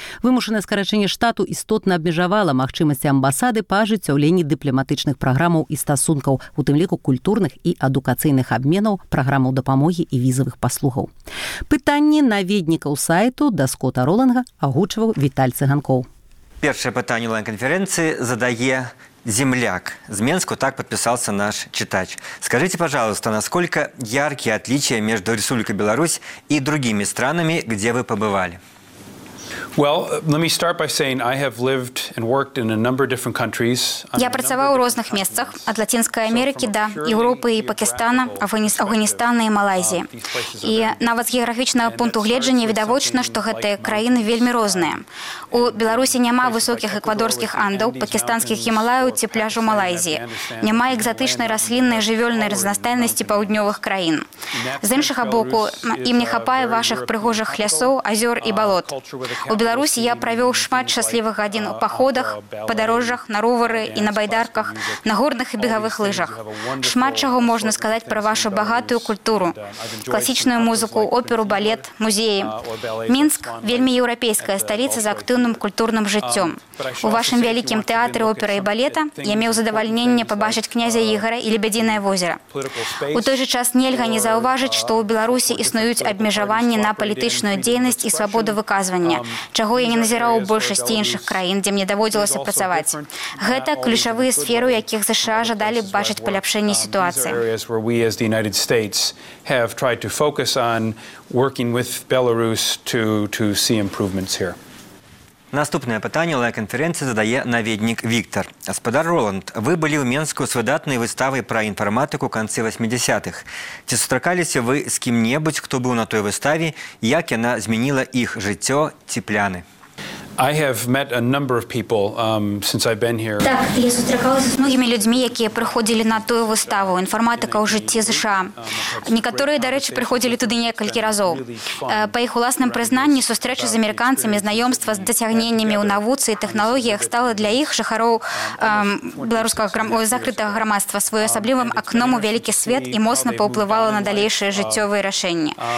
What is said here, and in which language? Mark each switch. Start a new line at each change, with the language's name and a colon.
Belarusian: Вымушанае скарачэнне штату істотна абмежавала магчымасці амбасады па ажыццяўленні дыпламатычных праграмаў і стасункаў, у тым ліку культурных і адукацыйных абменаў, праграмаў дапамогі і візавых паслугаў. Пытанні наведнікаў сайту да Скота Роланга агучваў Віталь Цыганкоў. Першае пытанне онлайн-канферэнцыі задае Земляк.
Russian: З Менску так подписался наш читач. Скажите, пожалуйста, насколько яркие отличия между Республикой Беларусь и другими странами, где вы побывали?
English: Well, let me start by saying I have lived and worked in a number of different countries.
Belarusian: Я працаваў у розных месцах, ад Лацінскай Амерыкі да Еўропы і Пакістана, Афганістана і Малайзіі. І нават з геаграфічнага пункту гледжання відавочна, што гэтыя краіны вельмі розныя. У Беларусі няма высокіх эквадорскіх Андаў, пакістанскіх Гімалаяў ці пляжу Малайзіі. Няма экзатычнай расліннай жывёльнай разнастайнасці паўднёвых краін. З іншага боку, ім не хапае вашых прыгожых лясоў, азёр і балот. У Беларусі я правёў шмат шчаслівых гадзін у паходах, падарожжах, на ровары і на байдарках, на горных і бегавых лыжах. Шмат чаго можна сказаць пра вашу багатую культуру, класічную музыку, оперу, балет, музеі. Мінск – вельмі еўрапейская сталіца з актыўным культурным жыццём. У вашым вялікім тэатры опера і балета я меў задавальненне пабачыць князя Ігара і Лебядзінае возера. У той же час нельга не заўважыць, што ў Беларусі існуюць абмежаванні на палітычную дзейнасць і свабоду выказвання, чаго я не назіраў у большасці іншых краін, дзе мне даводзілася працаваць. Гэта ключавыя сферы, у якіх ЗША жадалі б бачыць паляпшэнне сітуацыі. Наступнае пытанне лайк-канферэнцыі задае наведнік Віктар. Гаспадар Роланд, вы былі ў Менску з выдатнай выставай пра інфарматыку канцы 80-х. Ці сустракаліся вы з кім-небудзь, хто быў на той выставе, як яна змяніла іх жыццё ці пляны?
English: I have met a number of people since I've been here.
Belarusian: Так, я сустракалася з многімі людзьмі, якія прыходзілі на тую выставу «Інфарматыка ў жыцці ЗША». Некаторыя, дарэчы, прыходзілі туды некалькі разоў. Па іх уласным прызнанні, сустрэчы з амерыканцамі, знаёмства з дасягненнямі ў навуцы і тэхналогіях стала для іх жыхароў беларускага закрытага грамадства своеасаблівым акном у вялікі свет і моцна паўплывала на далейшыя жыццёвыя рашэнні.